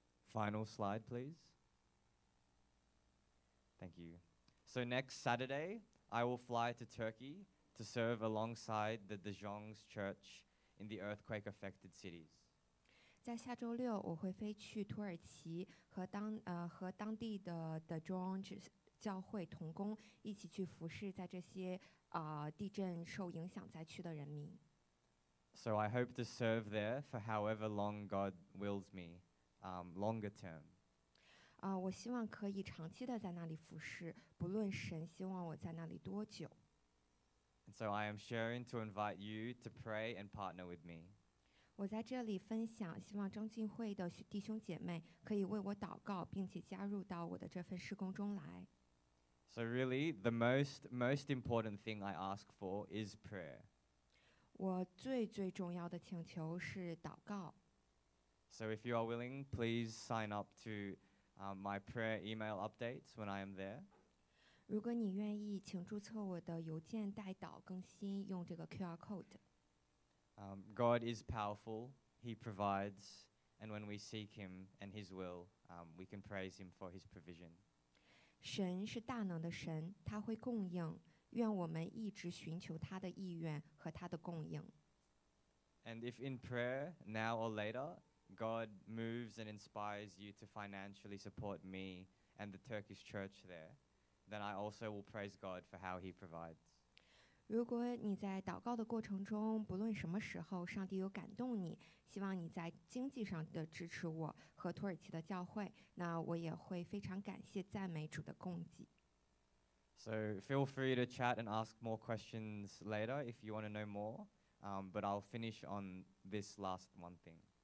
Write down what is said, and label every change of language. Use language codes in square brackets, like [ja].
[en] Final slide, please. Thank you. So next Saturday, I will fly to Turkey to serve alongside the Dejong's church in the earthquake-affected cities. [zh] 在下周六我会飞去土耳其和当地的 The George 教会同工，一起去服侍在这些地震受影响灾区的人民。 [en] So I hope to serve there for however long God wills me, longer term. [zh] 我希望可以长期的在那里服侍，不论神希望我在那里多久。 [en] And so I am sharing to invite you to pray and partner with me. [zh] 我在这里分享，希望中进会的弟兄姐妹可以为我祷告，并且加入到我的这份事工中来。 [en] So really, the most important thing I ask for is prayer. [zh] 我最最重要的请求是祷告。 [en] So if you are willing, please sign up to my prayer email updates when I am there. [zh] 如果你愿意，请注册我的邮件代祷更新，用这个 QR code。 [en] God is powerful, He provides, and when we seek Him and His will, we can praise Him for His provision. [zh] 神是大能的神，他会供应，愿我们一直寻求他的意愿和他的供应。 [en] And if in prayer, now or later, God moves and inspires you to financially support me and the Turkish church there, then I also will praise God for how he provides. [zh] 如果你在祷告的过程中，不论什么时候，上帝有感动你，希望你在经济上的支持我和土耳其的教会，那我也会非常感谢赞美主的供给。 [en] So feel free to chat and ask more questions later if you want to know more. But I'll finish on this last one thing.